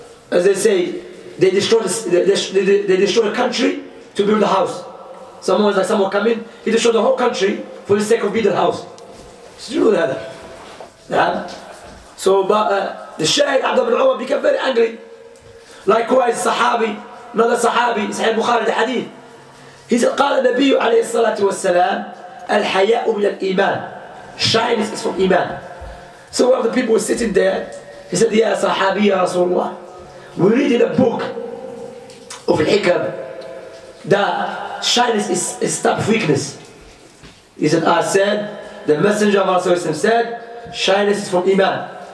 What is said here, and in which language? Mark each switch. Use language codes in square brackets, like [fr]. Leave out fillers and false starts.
[en] As they say, they destroy a country to build a house. Someone was like, someone come in, he destroyed the whole country for the sake of building a house. So you know that. Yeah. So, but the Shaykh Abd ibn Umar became very angry. Likewise, Sahabi, another Sahabi, Sahih Bukhari, the Hadith. He said, [ar] قال النبي عليه الصلاة والسلام الحياء من الإيمان. [en] Shyness is from Iman. So one of the people was sitting there. He said, Ya Sahabi, Ya Rasulullah, we read in a book of Hikam that shyness is type of weakness. He said, I said, the messenger of Allah said, shyness is from Iman.